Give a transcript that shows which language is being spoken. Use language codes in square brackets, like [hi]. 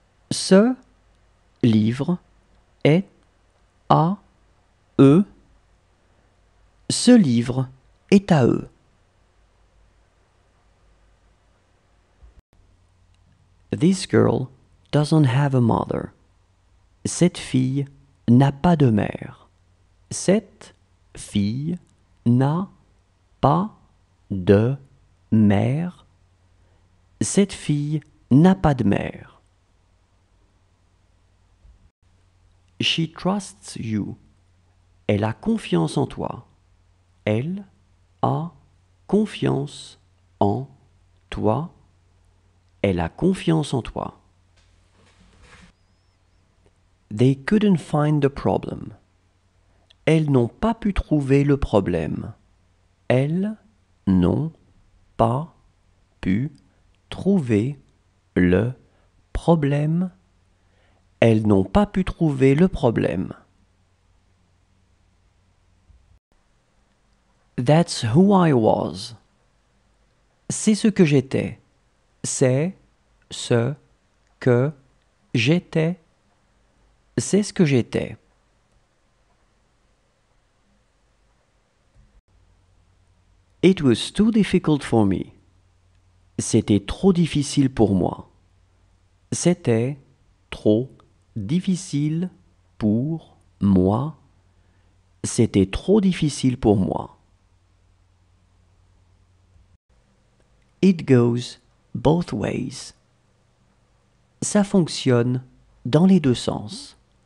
[fr] Ce livre est à eux. Ce livre est à eux. [en] This girl doesn't have a mother. [fr] Cette fille n'a pas de mère. Cette fille n'a pas de mère. Cette fille n'a pas de mère. [en] She trusts you. [fr] Elle a confiance en toi. Elle a confiance en toi. Elle a confiance en toi. [en] They couldn't find the problem. [fr] Elles n'ont pas pu trouver le problème. Elles n'ont pas pu trouver le problème. problème, elles n'ont pas pu trouver le problème. [en] That's who I was. [fr] C'est ce que j'étais. C'est ce que j'étais. C'est ce que j'étais. [en] It was too difficult for me. [fr] C'était trop difficile pour moi. C'était trop difficile pour moi. C'était trop difficile pour moi. [en] It goes both ways. [fr] Ça fonctionne dans les deux sens.